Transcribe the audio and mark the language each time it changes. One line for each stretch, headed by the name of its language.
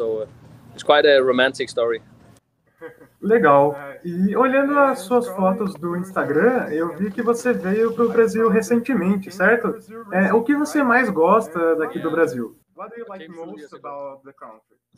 English: So it's quite a romantic story.
Portuguese: Legal. E olhando as suas fotos do Instagram, eu vi que você veio para o Brasil recentemente, certo? O que você mais gosta daqui do Brasil?
English: What do you like most about the country?